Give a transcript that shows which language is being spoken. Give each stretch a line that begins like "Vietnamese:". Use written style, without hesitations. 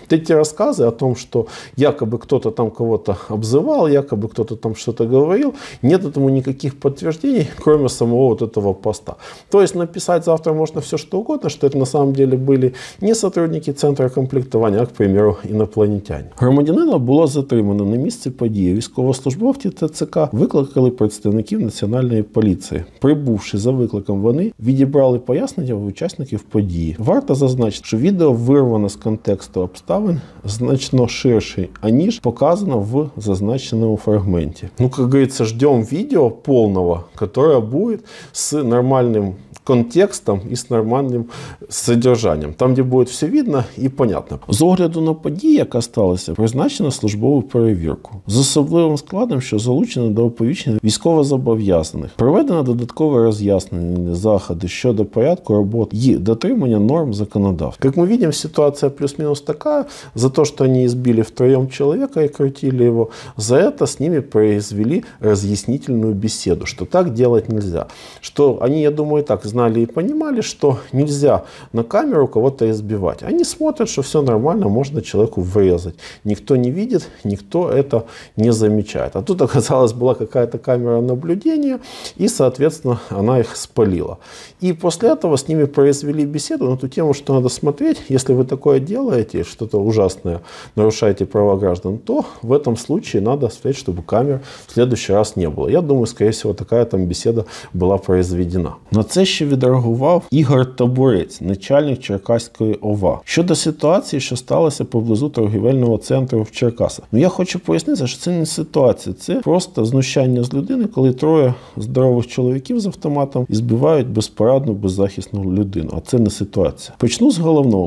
Russian: Эти рассказы о том, что якобы кто-то там кого-то обзывал, якобы кто-то там что-то говорил, нет этому никаких подтверждений, кроме самого вот этого поста. То есть написать завтра можно все что угодно, что это на самом деле были не сотрудники центра комплектования, а, к примеру, инопланетяне.
Ukrainian: Громадянина було затримано на місці події. Військовослужбовці ТЦК викликали представників національної поліції. Прибувши за викликом, вони відібрали пояснення в учасників події. Варто зазначити, що відео вирвано з контексту обставин значно ширше, аніж показано в зазначеному фрагменте. Ну, как говорится, ждем видео полного, которое будет с нормальным контекстом і з нормальним содержанням. Там, де буде все видно і понятно. З огляду на події, яка сталася, призначено службову перевірку. З особливим складом, що залучено до оповіщення військовозобов'язаних. Проведено додаткове роз'яснення заходи щодо порядку робот і дотримання норм законодавства. Як ми бачимо, ситуація плюс-мінус така. За те, що вони збили втроєм чоловіка і крутили його, за це з ними произвели роз'яснительну бесіду, що так робити не можна. Що вони, я думаю, так знали
Russian: и понимали, что нельзя на камеру кого-то избивать. Они смотрят, что все нормально, можно человеку врезать. Никто не видит, никто это не замечает. А тут оказалось, была какая-то камера наблюдения, и, соответственно, она их спалила. И после этого с ними произвели беседу на ту тему, что надо смотреть. Если вы такое делаете, что-то ужасное, нарушаете права граждан, то в этом случае надо смотреть, чтобы камер в следующий раз не было. Я думаю, скорее всего, такая там беседа была произведена. Но это еще
Ukrainian: відреагував Ігор Табурець, начальник Черкаської ОВА. Щодо ситуації, що сталося поблизу торгівельного центру в Черкасах. Ну, я хочу пояснити, що це не ситуація. Це просто знущання з людини, коли троє здорових чоловіків з автоматом і збивають безпорадну, беззахисну людину. А це не ситуація. Почну з головного.